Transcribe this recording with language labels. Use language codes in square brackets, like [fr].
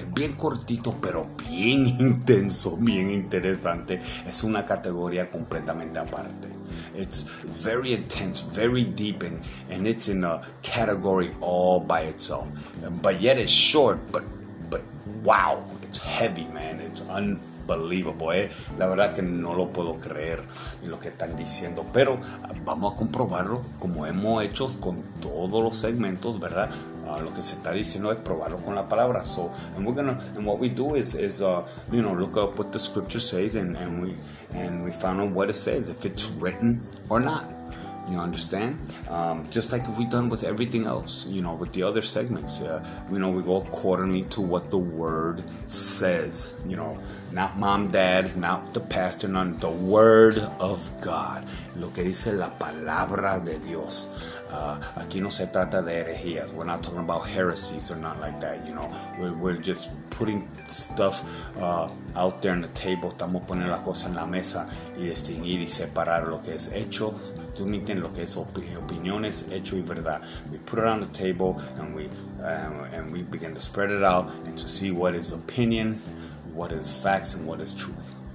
[es] Es bien cortito, pero bien intenso, bien interesante. Es una categoría completamente aparte. [en] It's very intense, very deep, and it's in a category all by itself. But yet it's short, but wow, it's heavy, man. It's unbelievable, eh? [es] La verdad que no lo puedo creer en lo que están diciendo. Pero vamos a comprobarlo como hemos hecho con todos los segmentos, ¿verdad? Lo que se está diciendo es probarlo con la palabra. [en] So, what we do is look up what the scripture says and we find out what it says, if it's written or not. You understand? Just like we've done with everything else, you know, with the other segments. You know, we go accordingly to what the word says. You know, not mom, dad, not the pastor, not the word of God. [es] Lo que dice la palabra de Dios. Aquí no se trata de herejías. [en] We're not talking about heresies or not like that. You know, we're just putting stuff out there on the table. [es] Estamos poniendo las cosas en la mesa y distinguir y separar lo que es hecho. Tú me entiendes lo que es opiniones, hecho y verdad. [en] We put it on the table and we begin to spread it out and to see what is opinion, what is facts, and what is truth.